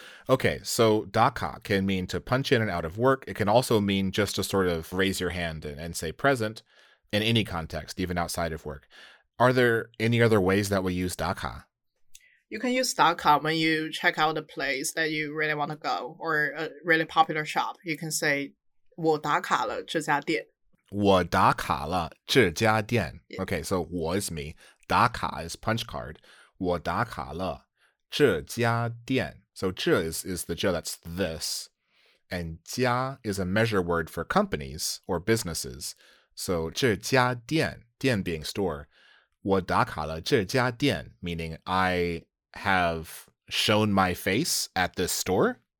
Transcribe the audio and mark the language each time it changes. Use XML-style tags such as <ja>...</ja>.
<en>Okay, so daka can mean to punch in and out of work. It can also mean just to sort of raise your hand and say present. in any context, even outside of work. Are there any other ways that we use .ca? You can use .ca when you check out a place that you really want to go or a really popular shop. You can say</en> <zh>我打卡了这家店。</zh> <en>Yeah. Okay, so 我 is me. 打卡 is punch card.</en> <zh>我打卡了这家店.</zh> <en>So 这 is the 这, that's this. And 家 is a measure word for companies or businesses. So</en> <zh>这家店,</zh> <en>店 being store.</en> <zh>我打卡了这家店,</zh> <en>meaning I have shown my face at this store.</en>